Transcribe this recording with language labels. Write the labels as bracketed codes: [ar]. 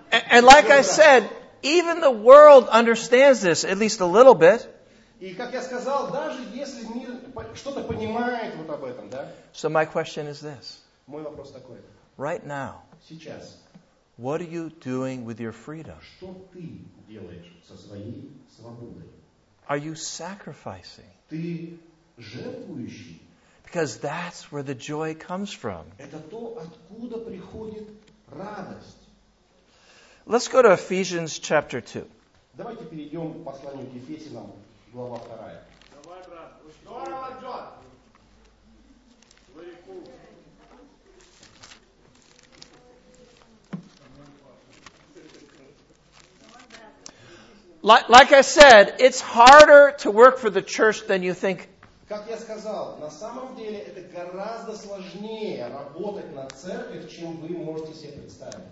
[en] And like I said, even the world understands this, at least a little bit. [ru] И как я сказал, даже если мир что-то понимает вот об этом, да? [en] So my question is this. [ru] Мой вопрос такой. [en] Right now. [ru] Сейчас. [en] What are you doing with your freedom? [ru] Что ты делаешь со своей свободой? [en] Are you sacrificing? [ru] Ты жертвующий? [en] Because that's where the joy comes from. [ru] Это то, откуда приходит радость. [en] Let's go to Ephesians chapter 2. [ru] Давайте перейдем к посланию к Ефесянам, глава 2. Давай, брат. Здорово, Джон. [en] Like I said, it's harder to work for the church than you think. [ru] Как я сказал, на самом деле это гораздо сложнее работать на церковь, чем вы можете себе представить.